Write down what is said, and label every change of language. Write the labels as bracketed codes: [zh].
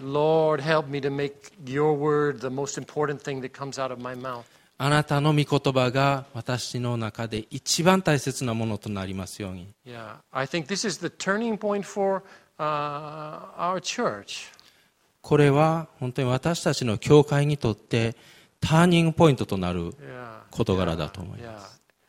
[en] Lord, help me to make your word the most important thing that comes out of my mouth. [ja] あなたの御言葉が私の中で一番大切なものとなりますように。 [en] Yeah, I think this is the turning point for our church. [ja] これは本当に私たちの教会にとってターニングポイントとなる事柄だと思います。